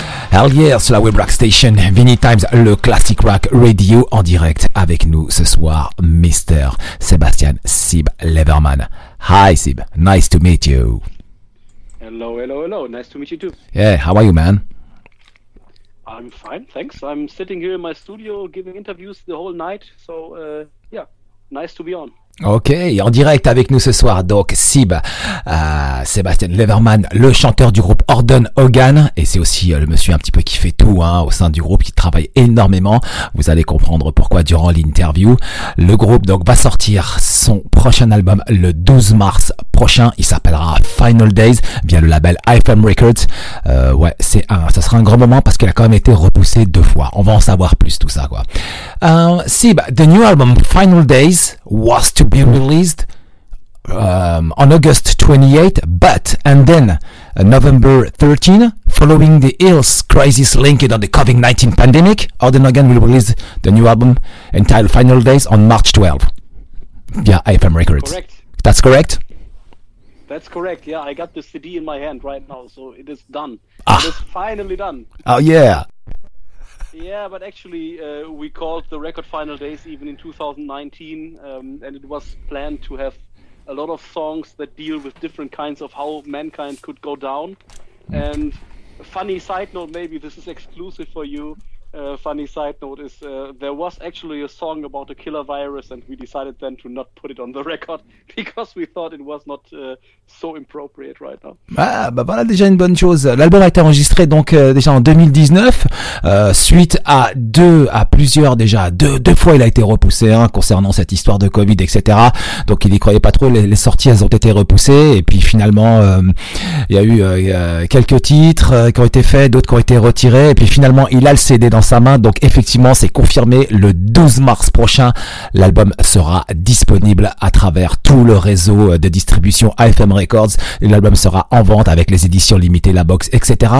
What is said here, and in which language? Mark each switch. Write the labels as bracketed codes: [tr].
[en] Hell yeah, [fr] sur la web rock station Vinnie Times, le classic rock radio en direct avec nous ce soir, Mr. [en] Sebastian Sib Leverman. Hi Sib, nice to meet you. Hello, hello, hello, nice to meet you too. Yeah, how are you, man? I'm fine, thanks. I'm sitting here in my studio giving interviews the whole night, so yeah, nice to be on. [fr] Ok, en direct avec nous ce soir, donc Sib, Sebastian Leverman, le chanteur du groupe Ordon Hogan, et c'est aussi le monsieur un petit peu qui fait tout hein, au sein du groupe, qui travaille énormément, vous allez comprendre pourquoi durant l'interview. Le groupe donc va sortir son prochain album le 12 mars prochain, il s'appellera Final Days, via le label IFM Records. Ouais, c'est un, ça sera un grand moment parce qu'il a quand même été repoussé deux fois, on va en savoir plus tout ça quoi. [en] Sib, the new album Final Days was to be released on August 28th, but and then November 13th, following the health crisis linked on the COVID-19 pandemic, Ordon Hogan will release the new album entitled Final Days on March 12th via IFM Records. Correct. That's correct? That's correct, yeah. I got the CD in my hand right now, so it is done. Ah. It is finally done. Oh, yeah. Yeah, but actually, we called the record Final Days even in 2019, and it was planned to have a lot of songs that deal with different kinds of how mankind could go down. And funny side note, maybe this is exclusive for you, funny side note is there was actually a song about a killer virus, and we decided then to not put it on the record because we thought it was not so appropriate right now. [fr] Ah, bah voilà déjà une bonne chose. L'album a été enregistré donc déjà en 2019 suite à deux fois il a été repoussé hein, concernant cette histoire de Covid, etc. Donc il y croyait pas trop, les sorties elles ont été repoussées, et puis finalement il y a eu quelques titres qui ont été faits, d'autres qui ont été retirés, et puis finalement il a le CD dans sa main, donc effectivement c'est confirmé, le 12 mars prochain l'album sera disponible à travers tout le réseau de distribution IFM Records, l'album sera en vente avec les éditions limitées, la box, etc.